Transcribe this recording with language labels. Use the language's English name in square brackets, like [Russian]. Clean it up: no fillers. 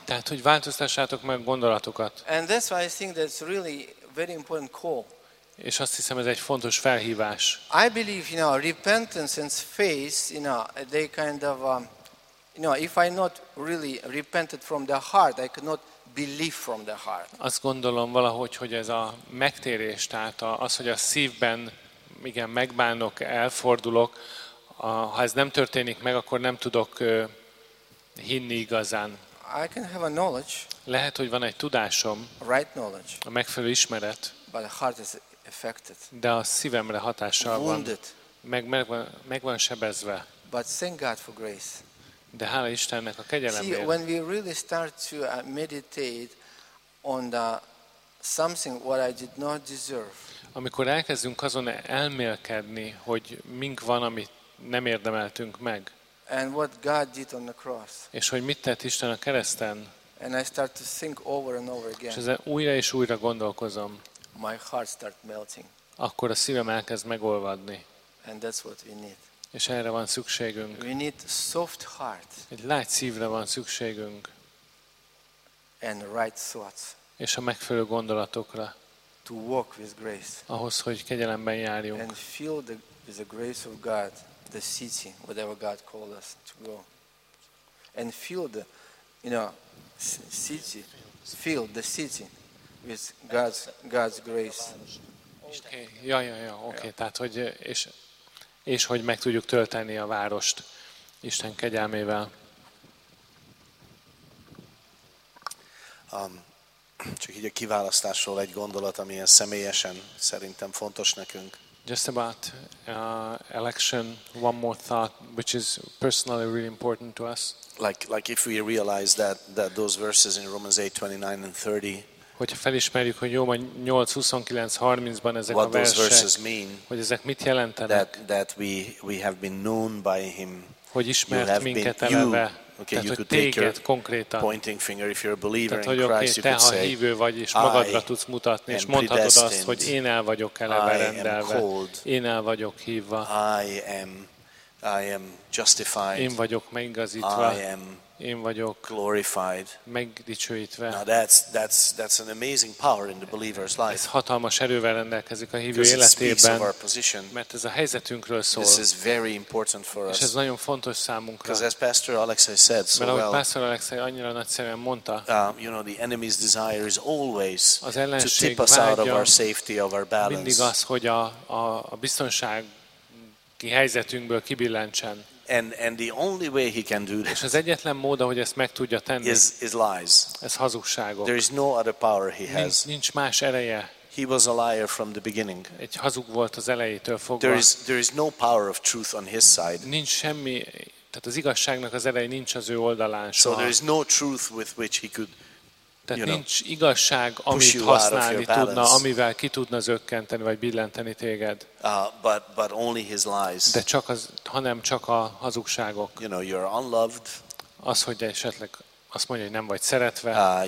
[Hungarian] Tehát, hogy változtassátok meg gondolatokat. [English] And that's why I think that's really very important call. [Hungarian] És azt hiszem, ez egy fontos felhívás. [English] I believe, you know, repentance and faith, you know, they kind of, you know, if I not really repented from the heart, I cannot believe from the heart. [Hungarian] Azt gondolom valahogy, hogy ez a megtérés, tehát az, hogy a szívben, igen, megbánok, elfordulok, ha ez nem történik meg, akkor nem tudok hinni igazán. [English] I can have a knowledge. [Hungarian] Lehet, hogy van egy tudásom. [English] Right knowledge. [Hungarian] A megfelelő ismeret. [English] But the heart is affected. [Hungarian] De a szívemre hatással [English] wounded. [Hungarian] Van. Meg van sebezve. [English] But thank God for grace. [Hungarian] De hála Istennek a kegyelemért. [English] See, when we really start to meditate on the something what I did not deserve. [Hungarian] Amikor elkezdünk azon elmélkedni, hogy mink van, amit nem érdemeltünk meg. [English] And what God did on the cross. [Hungarian] És hogy mit tett Isten a kereszten? [English] And I start to think over and over again. [Hungarian] És ezen újra és újra gondolkozom. [English] My heart start melting. [Hungarian] Akkor a szívem elkezd megolvadni. [English] And that's what we need. [Hungarian] És erre van szükségünk. [English] We need soft heart. [Hungarian] Egy lágy szívre van szükségünk. [English] And right thoughts. [Hungarian] És a megfelelő gondolatokra. [English] To walk with grace. [Hungarian] Ahhoz, hogy kegyelemben járjunk. [English] And feel the with the grace of God. The city, whatever God called us to go, and fill the, you know, city, fill the city with God's grace. Okay, okay. Yeah. [Hungarian] Tehát hogy és hogy meg tudjuk tölteni a várost Isten kegyelmével. Csak így a kiválasztásról egy gondolat, ami ilyen személyesen szerintem fontos nekünk. [English] Just about election, one more thought, which is personally really important to us. Like if we realize that those verses in Romans 8:29 and 30 [Hungarian] hogyha felismerjük, hogy jó, majd 8:29-30-ban ezek a versek, hogy ezek mit jelentenek, [English] that we have been known by him, [Hungarian] hogy ismert minket eleve. [English] Okay, tehát, you could take your konkrétan. Pointing finger if you're a believer, [Hungarian] tehát, [English] in Christ, okay, you could say, [Hungarian] hívő vagy, és magadra tudsz mutatni, és mondhatod azt, hogy én el vagyok eleve rendelve, én el vagyok hívva, [English] I am justified, [Hungarian] én vagyok megigazítva, én vagyok [English] glorified, [Hungarian] megdicsőítve. [English] Now that's an amazing power in the believer's life. [Hungarian] Ez hatalmas erővel rendelkezik a hívő életében, mert ez a helyzetünkről szól. [English] This is very important for us. [Hungarian] És ez nagyon fontos számunkra. [English] Because as Pastor Alexei said, so [Hungarian] mert ahogy Pastor Alexei annyira nagyszerűen mondta, [English] you know, the enemy's desire is always [Hungarian] az ellenség [English] to tip us out of our safety, of our balance. [Hungarian] Mindig az, hogy a biztonsági helyzetünkből kibillentsen. [English] And the only way he can do this, [Hungarian] és az egyetlen mód, ahogy ezt meg tudja tenni, [English] is lies. [Hungarian] Ez hazugságok. [English] There is no other power he has. [Hungarian] Nincs más ereje. [English] He was a liar from the beginning. [Hungarian] Egy hazug volt az elejétől fogva. [English] There is no power of truth on his side. [Hungarian] Nincs semmi, tehát az igazságnak az ereje nincs az ő oldalán. [English] So there is no truth with which he could, [Hungarian] tehát nincs igazság, amit használni tudna, amivel ki tudna zökkenteni vagy billenteni téged. [English] But only his lies. [Hungarian] De csak az, hanem csak a hazugságok. [English] You know, you're unloved. [Hungarian] Az, hogy esetleg azt mondja, hogy nem vagy szeretve.